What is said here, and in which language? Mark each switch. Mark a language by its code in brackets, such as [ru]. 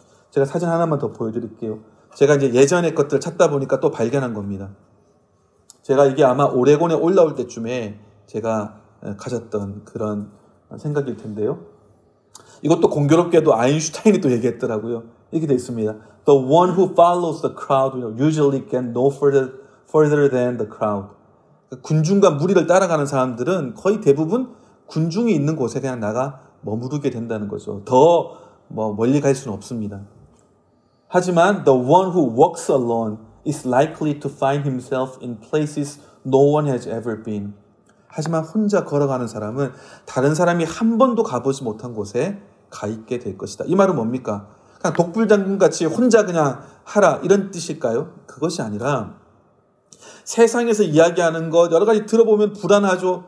[ko] 제가 사진 하나만 더 보여드릴게요. 제가 이제 예전의 것들을 찾다 보니까 또 발견한 겁니다. 제가 이게 아마 오레곤에 올라올 때쯤에 제가 가졌던 그런 생각일 텐데요. 이것도 공교롭게도 아인슈타인이 또 얘기했더라고요. 이렇게 돼 있습니다. [en] The one who follows the crowd usually can no further than the crowd. [ko] 군중과 무리를 따라가는 사람들은 거의 대부분 군중이 있는 곳에 그냥 나가 머무르게 된다는 거죠. 더 뭐 멀리 갈 수는 없습니다. 하지만 [en] the one who walks alone is likely to find himself in places no one has ever been. [ko] 하지만 혼자 걸어가는 사람은 다른 사람이 한 번도 가보지 못한 곳에 가 있게 될 것이다. 이 말은 뭡니까? 그냥 독불장군같이 혼자 그냥 하라 이런 뜻일까요? 그것이 아니라 세상에서 이야기하는 것 여러 가지 들어보면 불안하죠.